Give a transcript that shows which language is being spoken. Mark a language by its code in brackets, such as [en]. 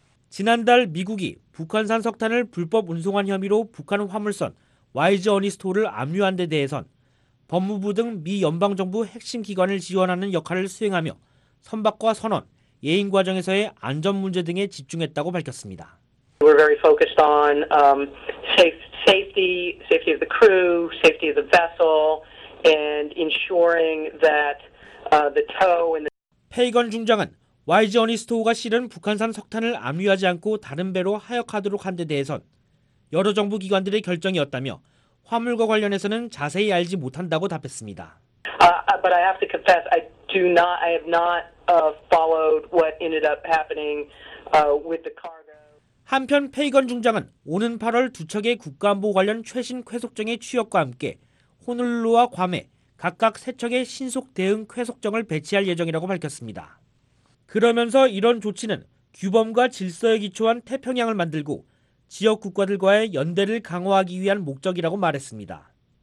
[ko] 지난달 미국이 북한산 석탄을 불법 운송한 혐의로 북한 화물선 와이즈 어니스토를 압류한 데 대해선 법무부 등 미 연방정부 핵심 기관을 지원하는 역할을 수행하며 선박과 선원, 예행 과정에서의 안전 문제 등에 집중했다고 밝혔습니다. [en] We're very focused on safety of the crew, safety of the vessel and ensuring that the tow and the [ko] 페이건 중장은 와이즈 어니스토가 실은 북한산 석탄을 압류하지 않고 다른 배로 하역하도록 한 데 대해선 여러 정부 기관들의 결정이었다며 화물과 관련해서는 자세히 알지 못한다고 답했습니다. [en] But I have to confess I have not followed what ended up happening with the cargo. [ko] 한편 페이건 중장은 오는 8월 두 척의 국가안보 관련 최신 쾌속정의 취역과 함께 호놀룰루와 괌에 각각 세 척의 신속 대응 쾌속정을 배치할 예정이라고 밝혔습니다. 그러면서 이런 조치는 규범과 질서에 기초한 태평양을 만들고 지역 국가들과의 연대를 강화하기 위한 목적이라고 말했습니다.